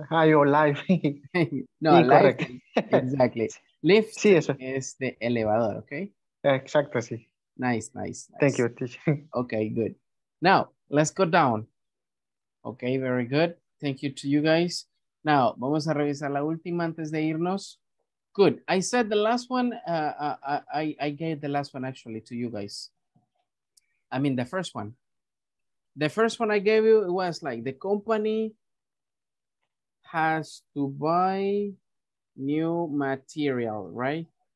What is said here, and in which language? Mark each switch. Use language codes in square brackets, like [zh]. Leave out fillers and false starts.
[en] your life. No, incorrect. Life, exactly. Lift [es] sí, eso. Es de elevador, ¿ok? Exacto, sí. [en] Nice. Thank you, teacher. Okay, good. Now, let's go down. Okay, very good. Thank you to you guys. [es] Now, vamos a revisar la última antes de irnos. [en] Good. I said the last one, I gave the last one actually to you guys. I mean, the first one. The first one I gave you was like, the company has to buy new material, right?